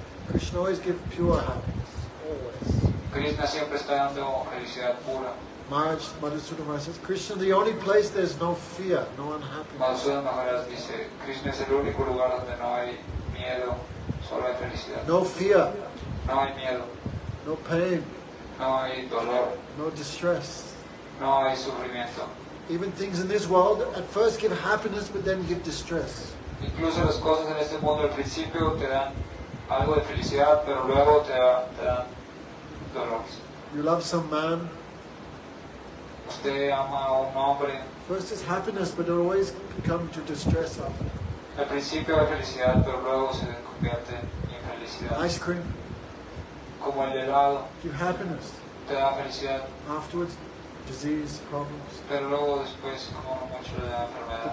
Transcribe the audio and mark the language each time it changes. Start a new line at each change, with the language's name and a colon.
English: Krishna always gives pure happiness. Always.
Spanish: Krishna siempre está dando felicidad pura.
English: Maharaj Madhusudana Maharaj says, Krishna, the only place there's no fear, no unhappiness.
Spanish: Madhusudana Maharaj dice, Krishna es el único lugar donde no hay miedo, solo hay felicidad.
English: No fear.
Spanish: No hay miedo.
English: No pain.
Spanish: No hay dolor.
English: No distress.
Spanish: No hay sufrimiento.
English: Even things in this world at first give happiness, but then give distress.
Spanish: Incluso las cosas en este mundo al principio te dan algo de felicidad, pero luego te da dolor.
English: You love some man.
Spanish: Usted ama a un hombre.
English: First is happiness, but it always comes to distress of.
Spanish: Al principio hay felicidad, pero luego se convierte en felicidad.
English: Ice cream.
Spanish: Como el helado.
English: You happiness.
Spanish: Te da felicidad.
English: Afterwards, disease, problems.
Spanish: Pero luego después, como mucho de enfermedad.